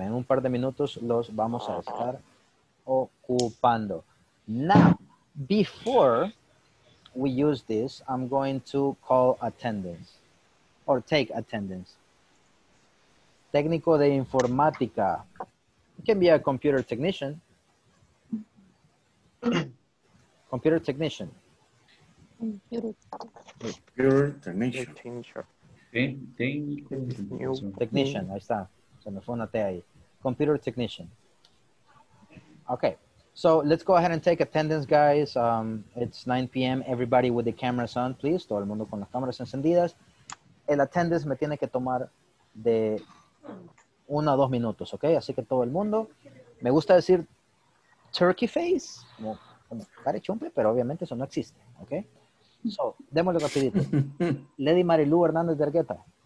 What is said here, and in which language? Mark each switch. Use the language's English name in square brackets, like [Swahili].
[Spanish] En un par de minutos, los vamos a estar ocupando. [English] Now, before we use this, I'm going to call attendance or take attendance. [Spanish] Técnico de informática. [English] You can be a computer technician. Computer technician. [Spanish] Technician, ahí está. Se me fue una T ahí. [English] computer technician. Okay, so let's go ahead and take attendance, guys. It's 9 p.m. Everybody with the cameras on, please. [Spanish] Todo el mundo con las cámaras encendidas. El attendance me tiene que tomar de 1 a 2 minutos, okay? Así que todo el mundo. Me gusta decir [English] turkey face, [Spanish] como cara de chumple, pero obviamente eso no existe, okay? So, démosle rapidito. Lady Marilu Hernández de Argueta.